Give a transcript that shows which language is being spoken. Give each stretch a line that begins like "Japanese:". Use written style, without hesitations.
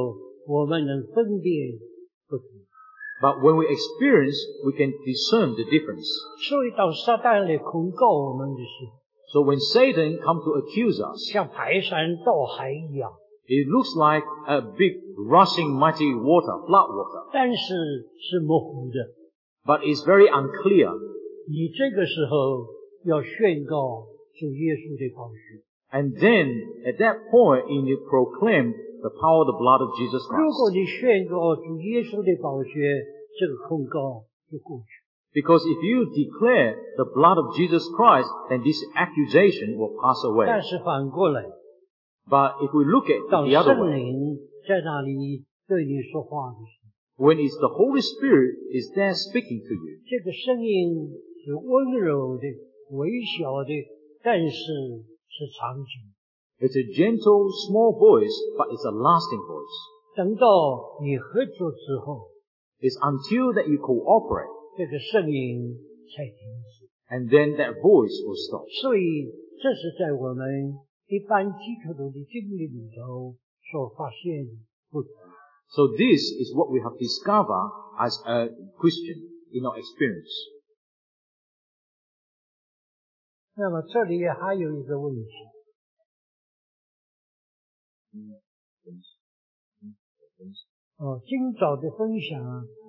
Chinese: 但是当我们经历的时候我们能分辨不同,
English: but when we experience, we can discern the difference.
Chinese: 所以当撒旦来控告我们的时候,
English: so when Satan comes to accuse us,
Chinese: 像排山倒海一样,
English: it looks like a big rushing mighty water, flood water.
Chinese: 但是是模糊的,
English: but it's very unclear.
Chinese: 你这个时候要宣告主耶稣的宝血,
English: and then at that point you need to proclaim the power of the blood of Jesus Christ.
Chinese: 如果你宣告主耶稣的宝血, 这个控告就过去,
English: because if you declare the blood of Jesus Christ, then this accusation will pass away.
Chinese: 但是反过来,
English: But if we look at the other way,
Chinese: 在那里对你说话的,
English: when it's the Holy Spirit is there speaking to you,
Chinese: 这个声音是温柔的, 微小的, 但是是长久,
English: it's a gentle, small voice, but it's a lasting voice.
Chinese: 等到你合作之后,
English: it's until that you cooperate,
Chinese: 这个声音才停止,
English: and then that voice will stop.
Chinese: 所以这是在我们 一般基督徒的经历里头所发现的,
English: so this is what we have discovered as a Christian in our experience.
Chinese: 那么这里还有一个问题, 今早的分享,